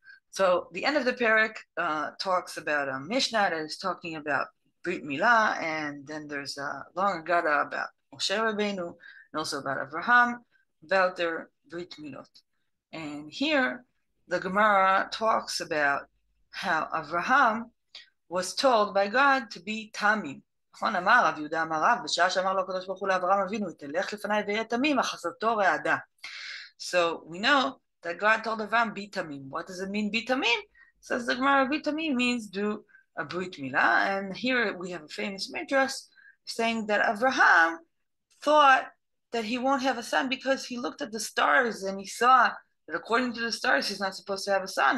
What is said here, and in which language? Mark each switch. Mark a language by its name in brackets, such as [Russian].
[English] So the end of the perek talks about a Mishnah that is talking about Brit Milah, and then there's a long Aggada about Moshe Rabbeinu and also about Avraham, about their Brit Milot. And here, the Gemara talks about how Avraham was told by God to be Tamim. [Hebrew] נכון, אמר רב יהודה אמר רב, בשעה שאמר לו הקדוש ברוך הוא לאברהם אבינו, תלך לפניי ויהיה תמים, אחזתו רעדה. [English] So we know that God told Avraham, be tamim. What does it mean, be tamim? Says the Gemara, be tamim means do a brit milah. And here we have a famous midrash saying that Avraham thought that he won't have a son because he looked at the stars and he saw that according to the stars, he's not supposed to have a son.